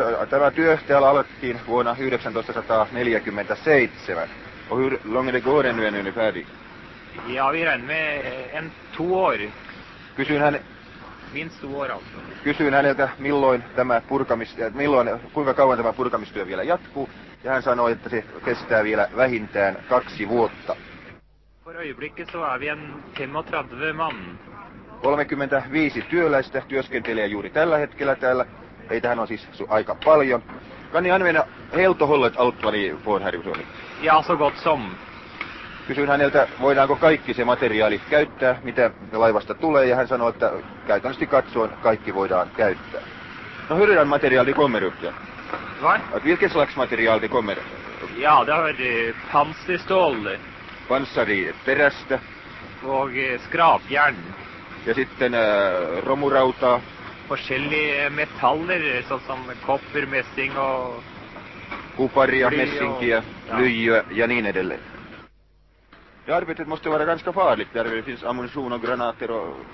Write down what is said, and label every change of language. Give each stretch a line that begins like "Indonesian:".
Finnish: Tämä työ täällä alettiin vuonna 1947.
Swedish: Och hur långt det går ännu är ni färdig? Ja, vi är ännu en 2 år.
Finnish: Kysyn hän...
Swedish: Minst 2 år alltså.
Finnish: Kysyn häneltä, milloin tämä milloin, kuinka kauan tämä purkamistyö vielä jatkuu. Ja hän sanoi, että se kestää vielä vähintään 2 vuotta.
Swedish: För ögonblicket så är vi en 35 man.
Finnish: 35 työläistä työskentelee juuri tällä hetkellä täällä. Heitähän on siis aika paljon.
Swedish: Kan ni använda helt och hållet allt vad ni får här i Suomi? Ja, så gott som.
Finnish: Kysyn häneltä, voidaanko kaikki se materiaali käyttää, mitä laivasta tulee, ja hän sanoi, että käytännössä katsoen kaikki voidaan käyttää.
Swedish: No, hyrjän materiaali kommer upp, ja? Vad? Vilken slags materiaal det kommer? Ja, det är pansarstål.
Finnish: Pansari terästä.
Swedish: Och skrapjärn.
Finnish: Ja sitten romurautaa.
Swedish: Forskjellige metaller, såsom koppar, messing och...
Finnish: Kuparia, messinkia, lyjö ja niin edelleen.
Swedish: Det arbetet måste vara ganska farligt, där det finns ammunition och granater och...